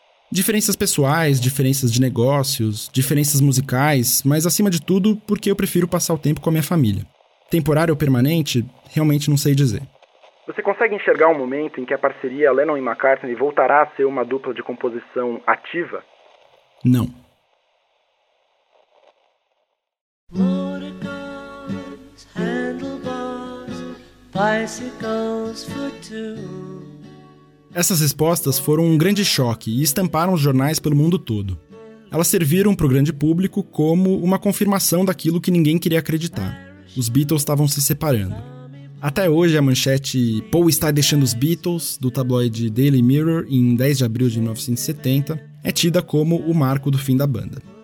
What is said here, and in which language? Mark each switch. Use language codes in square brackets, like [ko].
[pt] Diferenças pessoais, diferenças de negócios, diferenças musicais, mas acima de tudo, porque eu prefiro passar o tempo com a minha família. Temporário ou permanente, realmente não sei dizer. Você consegue enxergar um momento em que a parceria Lennon e McCartney voltará a ser uma dupla de composição ativa? Não. [en] Motorcars, handlebars, bicycles for two. [pt] Essas respostas foram um grande choque e estamparam os jornais pelo mundo todo. Elas serviram para o grande público como uma confirmação daquilo que ninguém queria acreditar. Os Beatles estavam se separando. Até hoje, a manchete Paul está deixando os Beatles, do tabloide Daily Mirror, em 10 de abril de 1970, é tida como o marco do fim da banda.